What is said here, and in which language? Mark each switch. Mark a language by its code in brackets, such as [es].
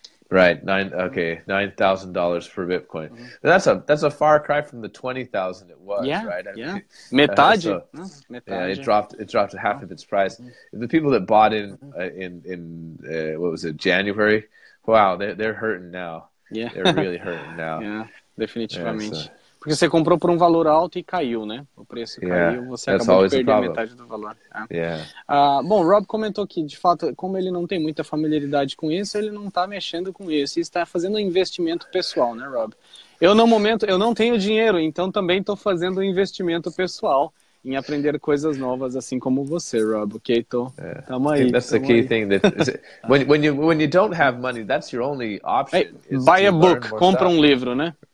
[en] Right. $9,000 for Bitcoin. Mm-hmm. That's a far cry from the 20,000 it was, right? Yeah. [pt] Metade. Metade. [en] Yeah, it dropped half of its price. Mm-hmm. The people that bought in January? Wow, they're hurting now. Yeah. They're really hurting now. Yeah, [pt] definitivamente. [en] So. [pt] Porque você comprou por valor alto e caiu, né? O preço caiu, você [en] that's [pt] acabou de perder metade do valor. Bom, Rob comentou que, de fato, como ele não tem muita familiaridade com isso, ele não está mexendo com isso e está fazendo um investimento pessoal, né, Rob? Eu não tenho dinheiro, então também estou fazendo um investimento pessoal em aprender coisas novas, assim como você, Rob, ok? Tamo aí. [en] That's the key thing. When you don't have money, that's your only option. Hey, buy a book, [pt] compra um livro, né?